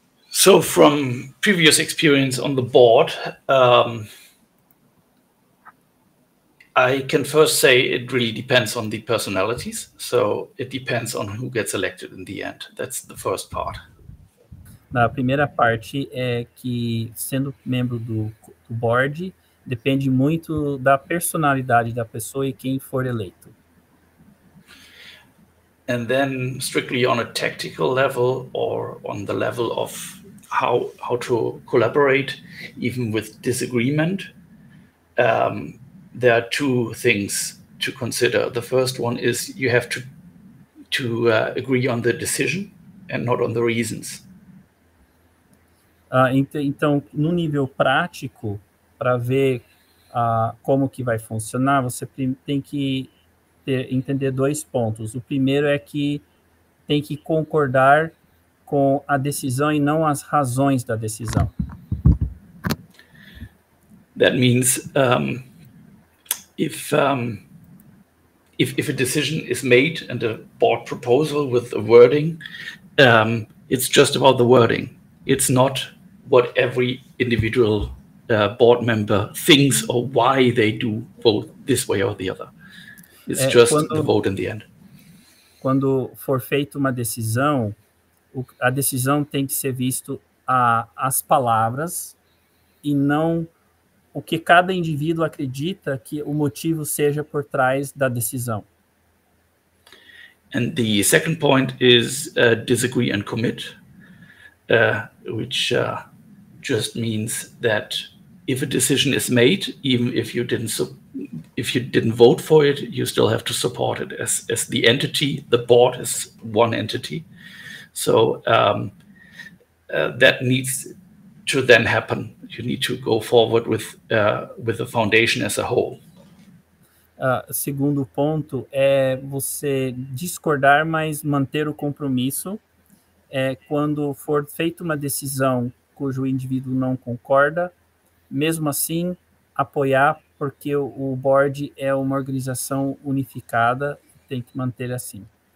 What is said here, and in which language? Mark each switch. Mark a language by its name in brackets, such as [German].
[English] So from previous experience on the board, I can first say it really depends on the personalities. So it depends on who gets elected in the end. That's the first part. [Portuguese] Na primeira parte é que sendo membro do board depende muito da personalidade da pessoa e quem for eleito. [English] And then strictly on a tactical level or on the level of how to collaborate, even with disagreement. There are two things to consider. The first one is you have to agree on the decision and not on the reasons. [Portuguese] Então, no nível prático, para ver como que vai funcionar, você tem que entender dois pontos. O primeiro é que tem que concordar com a decisão e não as razões da decisão. [English] That means if a decision is made and a board proposal with a wording, it's just about the wording. It's not what every individual board member thinks or why they do vote this way or the other. It's just the vote in the end. [Portuguese] Quando for feita uma decisão, a decisão tem que ser visto as palavras e não o que cada indivíduo acredita que o motivo seja por trás da decisão. [English] And the second point is disagree and commit, which just means that if a decision is made, even if you didn't vote for it, you still have to support it as the entity. The board is one entity. So that needs to then happen. You need to go forward with the foundation as a whole. [Portuguese] segundo ponto é você discordar, mas manter o compromisso. É, quando for feita uma decisão cujo indivíduo não concorda, mesmo assim, apoiar, porque o board é uma organização unificada, tem que manter assim.